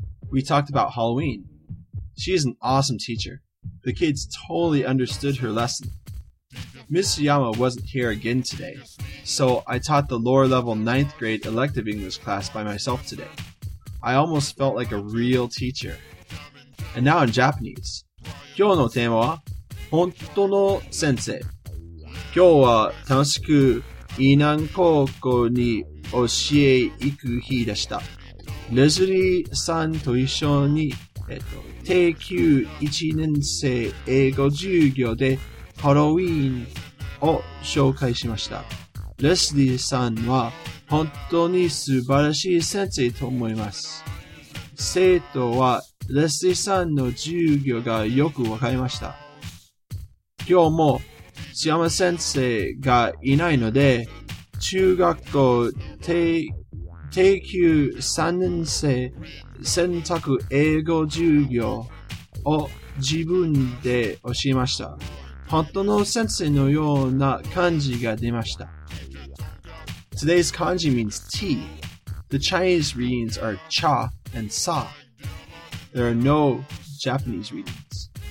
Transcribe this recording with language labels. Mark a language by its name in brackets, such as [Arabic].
[English] We talked about Halloween. She is an awesome teacher. The kids totally understood her lesson. Ms. Yama wasn't here again today, so I taught the lower level 9th grade elective English class by myself today. I almost felt like a real teacher. And now in Japanese. [Japanese] 今日のテーマは本当の先生。今日は楽しく伊南高校に教え行く日でした。レズリーさんと一緒に、定休1年生英語授業でハロウィーンを紹介しました。レズリーさんは本当に素晴らしい先生と思います。生徒はレズリーさんの授業がよくわかりました。今日も須山先生がいないので、中学校定休3年生選択英語授業を自分で教えました。本当の先生のような漢字が出ました。 [English] Today's kanji means tea. The Chinese readings are cha and sa. There are no Japanese readings.